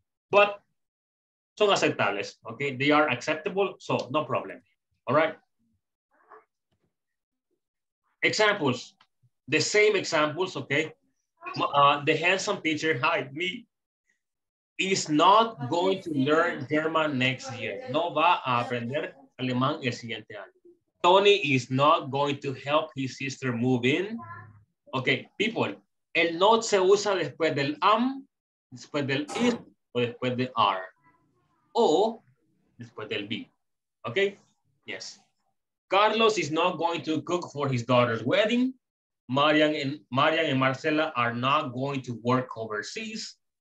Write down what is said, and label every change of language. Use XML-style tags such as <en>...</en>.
<en>But</en> <es>son aceptables.</es> <en>¿Ok? They are acceptable, so no problem. Alright? Examples. The same examples, ¿ok? The handsome teacher, hi, me, is not going to learn German next year.</en> <es>No va a aprender alemán el siguiente año.</es> <en>Tony is not going to help his sister move in. Okay, people,</en> <es>el not se usa después del am, después del is, o después del are, o después del be.</es> <en>Okay, yes. Carlos is not going to cook for his daughter's wedding. Marian and Marcela are not going to work overseas.</en>